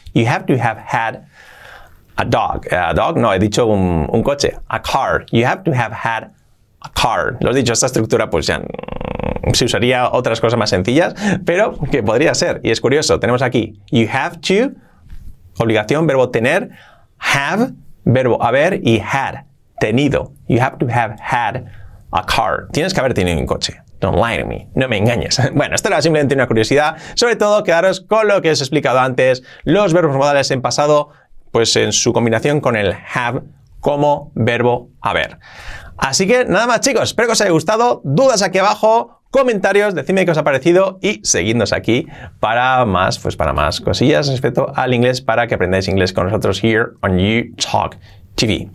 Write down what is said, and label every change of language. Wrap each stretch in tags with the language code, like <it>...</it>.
<en>You have to have had a dog. A dog,</en> <es>no, he dicho un coche.</es> <en>A car. You have to have had a car.</en> <es>Lo he dicho, esta estructura, pues ya se usaría otras cosas más sencillas, pero que podría ser. Y es curioso, tenemos aquí, you have to, obligación, verbo tener, have, verbo haber, y had, tenido.</es> <en>You have to have had a car.</en> <es>Tienes que haber tenido un coche.</es> <en>Don't lie to me.</en> <es>No me engañes. Bueno, esto era simplemente una curiosidad. Sobre todo, quedaros con lo que os he explicado antes, los verbos modales en pasado, pues en su combinación con el have como verbo haber. Así que nada más, chicos, espero que os haya gustado. Dudas aquí abajo, comentarios, decidme qué os ha parecido y seguidnos aquí para más, pues para más cosillas respecto al inglés, para que aprendáis inglés con nosotros</es> <en>here on YouTalk TV.</en>